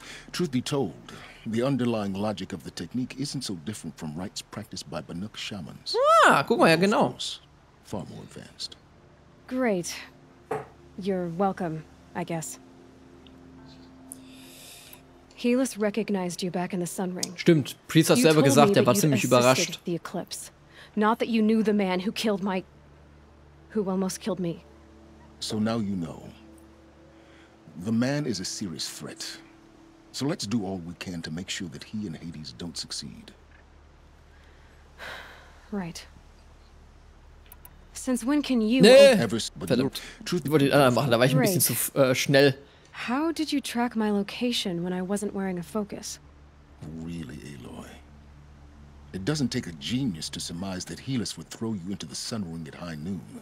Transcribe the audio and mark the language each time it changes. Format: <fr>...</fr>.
<en>Truth be told, the underlying logic of the technique isn't so different from rites practiced by Banuk shamans.</en> <de>Ah, guck mal, ja, genau.</de> <en>Of course, far more advanced. Great. You're welcome, I guess. Helis recognized you back in the Sun Ring.</en> <de>Stimmt, Priest hat selber gesagt, er war ziemlich überrascht.</de> <en>The eclipse. Not that you knew the man who killed my... who almost killed me. So now you know. The man is a serious threat. So let's do all we can to make sure that he and Hades don't succeed. Right. Since when can you...</en> <de>Nee, verdammt. Ich wollte den anderen machen, da war ich ein bisschen zu schnell.</de> <en>How did you track my location when I wasn't wearing a focus? Really, Aloy? It doesn't take a genius to surmise that Helis would throw you into the Sun Ring at high noon.</en>